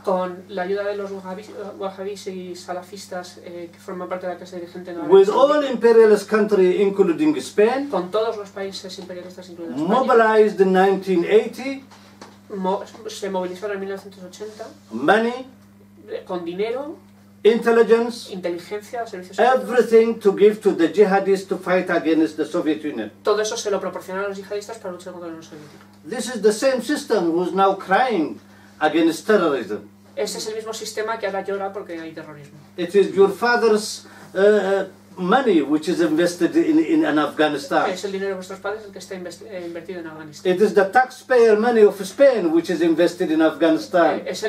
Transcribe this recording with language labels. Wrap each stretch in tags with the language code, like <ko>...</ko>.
<es>Con la ayuda de los wahhabis y salafistas que forman parte de la clase dirigente.</es> <en>With all imperialist countries, including Spain.</en> <es>Con todos los países imperialistas, incluidos España.</es> <en>Mobilized in 1980.</en> <es>Se movilizó en 1980.</es> <en>Money.</en> <es>Con dinero.</es> <en>Intelligence,</en> <es>inteligencia, servicios,</es> <en>everything to give to the jihadists to fight against the Soviet Union.</en> <es>Todo eso se lo proporcionaron los jihadistas para luchar contra la Unión Soviética.</es> <en>This is the same system who is now crying against terrorism.</en> <es>Ese es el mismo sistema que ahora llora porque hay terrorismo.</es> <en>It is your father's money which is invested in an Afghanistan.</en> <es>Es el dinero de vuestros padres el que está invertido en Afganistán.</es> <en>It is the taxpayer money of Spain which is invested in Afghanistan.</en>